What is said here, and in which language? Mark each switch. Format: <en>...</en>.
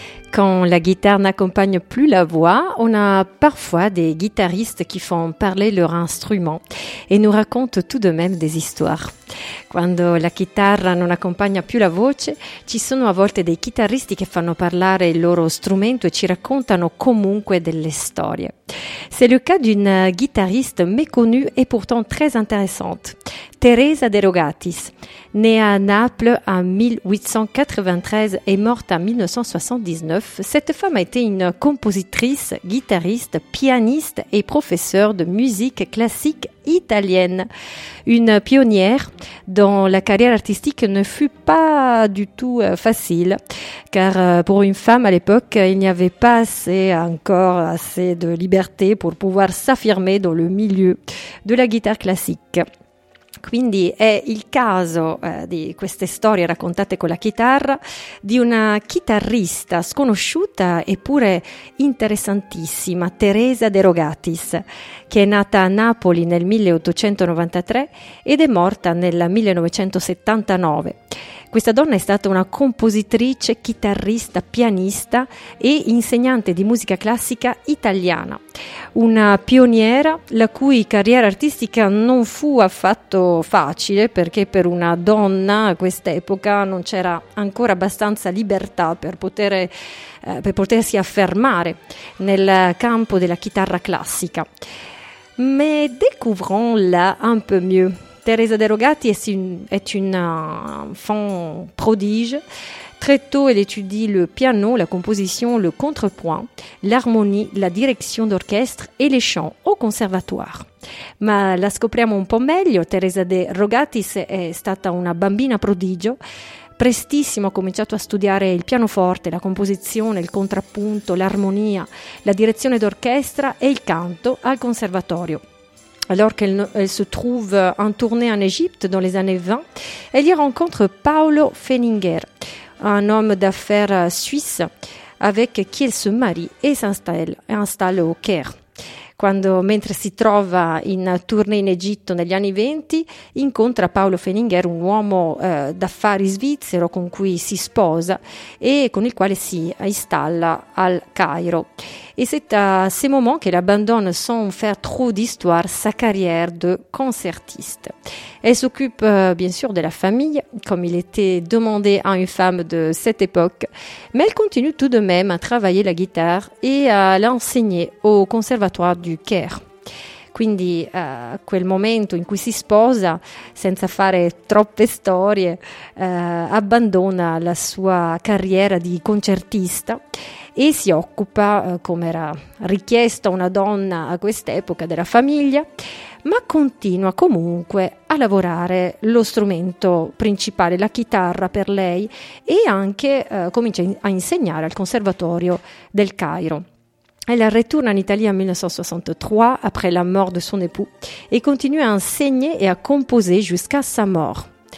<fr>Quand la guitare n'accompagne plus la voix, on a parfois des guitaristes qui font parler leur instrument et nous racontent tout de même des histoires.</fr> <it>Quando la chitarra non accompagna più la voce, ci sono a volte dei chitarristi che fanno parlare il loro strumento e ci raccontano comunque delle storie.</it> <fr>C'est le cas d'une guitariste méconnue et pourtant très intéressante, Teresa De Rogatis. Née à Naples en 1893 et morte en 1979, cette femme a été une compositrice, guitariste, pianiste et professeure de musique classique italienne, une pionnière dont la carrière artistique ne fut pas du tout facile, car pour une femme à l'époque, il n'y avait pas encore assez de liberté pour pouvoir s'affirmer dans le milieu de la guitare classique.</fr> <it>Quindi è il caso di queste storie raccontate con la chitarra di una chitarrista sconosciuta eppure interessantissima, Teresa De Rogatis, che è nata a Napoli nel 1893 ed è morta nel 1979. Questa donna è stata una compositrice, chitarrista, pianista e insegnante di musica classica italiana. Una pioniera la cui carriera artistica non fu affatto facile, perché per una donna a quest'epoca non c'era ancora abbastanza libertà per potersi affermare nel campo della chitarra classica.</it> <fr>Mais découvrons-la un peu mieux. Teresa De Rogatis est une enfant prodige. Très tôt, elle étudie le piano, la composition, le contrepoint, l'harmonie, la direction d'orchestre et les chants au conservatoire.</fr> <it>Ma la scopriamo un po' meglio. Teresa De Rogatis è stata una bambina prodigio. Prestissimo ha cominciato a studiare il pianoforte, la composizione, il contrappunto, l'armonia, la direzione d'orchestra e il canto al conservatorio.</it> <fr>Alors qu'elle se trouve en tournée en Égypte dans les années 20, elle y rencontre Paolo Feininger, un homme d'affaires suisse avec qui elle se marie et s'installe au Caire.</fr> <it>Mentre si trova in tournée in Egitto negli anni 20, incontra Paolo Feininger, un uomo d'affari svizzero con cui si sposa e con il quale si installa al Cairo.</it> <fr>Et c'est à ce moment qu'elle abbandonne sans faire trop d'histoire sa carrière de concertiste. Elle s'occupe bien sûr de la famille, comme il était demandé à une femme de cette époque, mais elle continue tout de même à travailler la guitare et à l'enseigner au conservatoire du Caire.</fr> <it>Quindi quel momento in cui si sposa, senza fare troppe storie, abbandona la sua carriera di concertista e si occupa, come era richiesto a una donna a quest'epoca, della famiglia, ma continua comunque a lavorare lo strumento principale, la chitarra per lei, e anche comincia a insegnare al conservatorio del Cairo.</it> <fr>Elle retourne en Italie en 1963 après la mort de son époux et continue à enseigner et à composer jusqu'à sa mort.</fr>